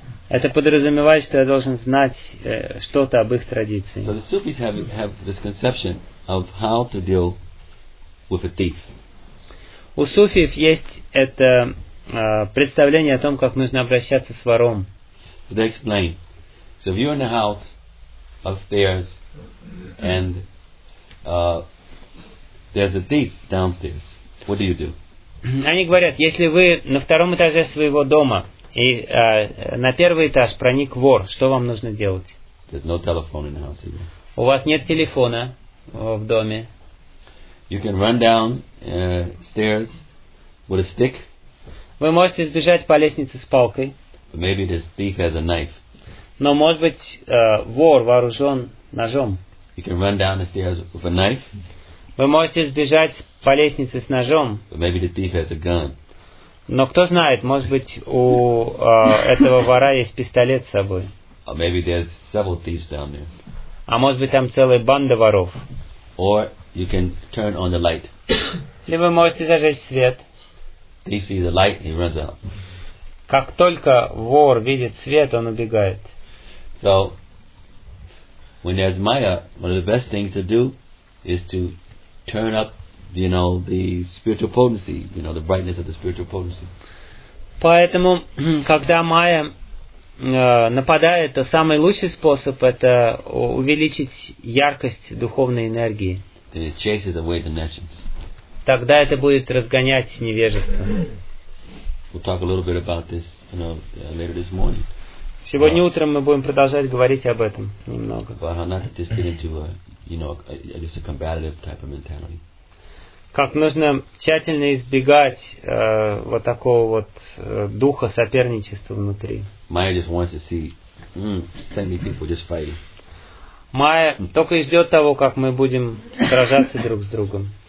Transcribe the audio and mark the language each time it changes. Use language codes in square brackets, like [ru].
[ru] Это подразумевает, что я должен знать что-то об их традиции. [en] So the Sufis have this conception of how to deal with a thief. [ru] У суфиев есть это представление о том, как нужно обращаться с вором. [en] So they explain. So if you're in a house upstairs and there's a thief downstairs, what do you do? [ru] Они говорят, если вы на втором этаже своего дома и на первый этаж проник вор, что вам нужно делать? [en] There's no telephone in the house either. [ru] У вас нет телефона в доме. [en] You can run down stairs with a stick. [ru] Вы можете сбежать по лестнице с палкой. [en] But maybe this thief has a knife. [ru] Но может быть вор вооружен ножом. [en] You can run down the stairs with a knife. [ru] Вы можете сбежать по лестнице с ножом. [en] But maybe the thief has a gun. [ru] Но кто знает, может быть у этого вора есть пистолет с собой. [en] Or maybe there's several thieves down there. [ru] А может быть там целая банда воров. [en] Or you can turn on the light. [ru] Либо можете зажечь свет. [en] He sees the light, he runs out. [ru] Как только вор видит свет, он убегает. [en] So when there's Maya, one of the best things to do is to turn up, you know, the spiritual potency, you know, the brightness of the spiritual potency. [ru] Поэтому, когда Майя нападает, то самый лучший способ это увеличить яркость духовной энергии. [en] Then it chases away the nations. [ru] Тогда это будет разгонять невежество. [en] We'll talk a little bit about this, you know, later this morning. [ru] Сегодня утром мы будем продолжать говорить об этом немного. [en] But how not to just get into a, you know, a, just a combative type of mentality. [ru] Как нужно тщательно избегать вот такого вот духа соперничества внутри. [en] Maya just wants to see so many people just fighting. [ru] Майя только и ждет того, как мы будем сражаться друг с другом.